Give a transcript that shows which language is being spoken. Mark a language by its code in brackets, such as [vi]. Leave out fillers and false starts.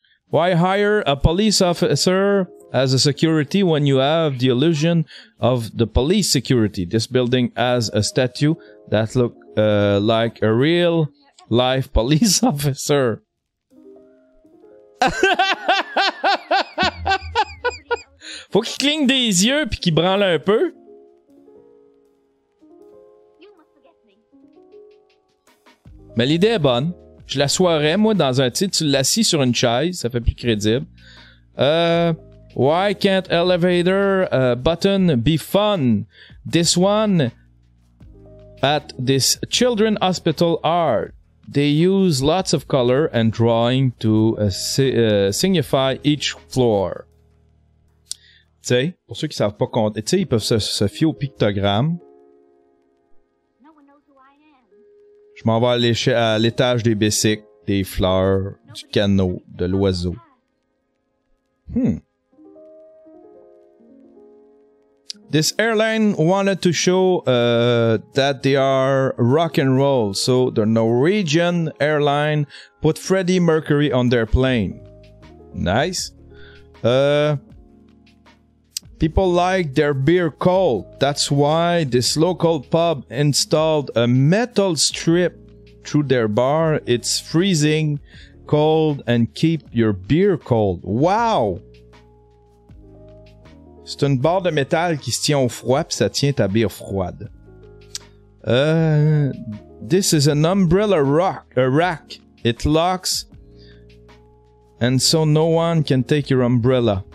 [en] Why hire a police officer as a security when you have the illusion of the police security? This building has a statue that look like a real life police officer. [fr] Faut qu'il cligne des yeux pis qu'il branle un peu. Mais l'idée est bonne. Je l'assoirais, moi, dans un titre. Tu l'assis sur une chaise. Ça fait plus crédible. [en] Why can't elevator button be fun? This one at this children's hospital art. They use lots of color and drawing to signify each floor. [fr] Tu sais, pour ceux qui savent pas compter, tu sais, ils peuvent se fier au pictogramme. Je m'en vais à l'étage des bicycles, des fleurs, du canot, de l'oiseau. [en] This airline wanted to show that they are rock and roll. So the Norwegian airline put Freddie Mercury on their plane. Nice. People like their beer cold. That's why this local pub installed a metal strip through their bar. It's freezing cold and keep your beer cold. Wow! [fr] C'est une barre de métal qui se tient au froid puis ça tient ta bière froide. [en] This is an umbrella rock, a rack. It locks and so no one can take your umbrella.